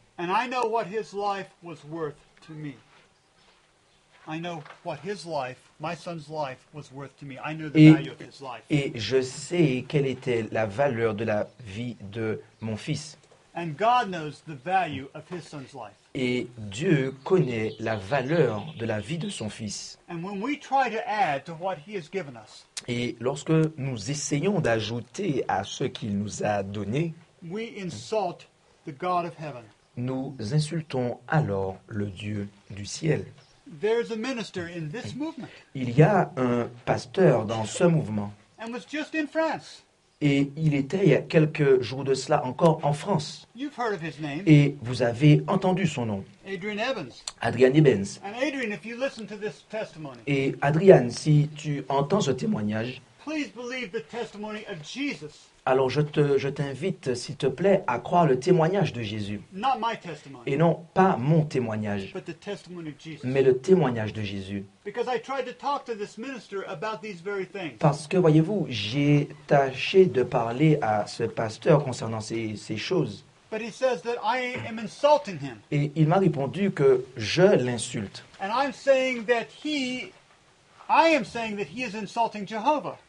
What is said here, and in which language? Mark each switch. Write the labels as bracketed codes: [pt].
[en] And I know what his life was worth to me. I know what his life, my son's life, was worth to me. I knew the value of his life. [fr] Et je sais quelle était la valeur de la vie de mon fils. [en] And God knows the value of his son's life. [fr] Et Dieu connaît la valeur de la vie de son fils. [en] And when we try to add to what he has given us, [fr] et lorsque nous essayons d'ajouter à ce qu'il nous a donné, [en] we insult the God of heaven. [fr] Nous insultons alors le Dieu du ciel. [en] There's a minister in this movement. [fr] Il y a un pasteur dans ce mouvement. [en] And was just in France. [fr] Et il était il y a quelques jours de cela encore en France. [en] You've heard of his name. [fr] Et vous avez entendu son nom. [en] Adrian Evans. [fr] Adrian Evans. [en] And Adrian, if you listen to this testimony, [fr] et Adrian, si tu entends ce témoignage, [en] please believe the testimony of Jesus. [fr] Alors je t'invite, s'il te plaît, à croire le témoignage de Jésus. [en] Not my testimony, [fr] et non, pas mon témoignage, [en] but the testimony of Jesus. [fr] Mais le témoignage de Jésus. [en] Because I tried to talk to this minister about these very things. [fr] Parce que, voyez-vous, j'ai tâché de parler à ce pasteur concernant ces choses. [en] But he says that I am insulting him. [fr] Et il m'a répondu que je l'insulte. [en] And I'm saying that he... I am saying that he is insulting Jehovah.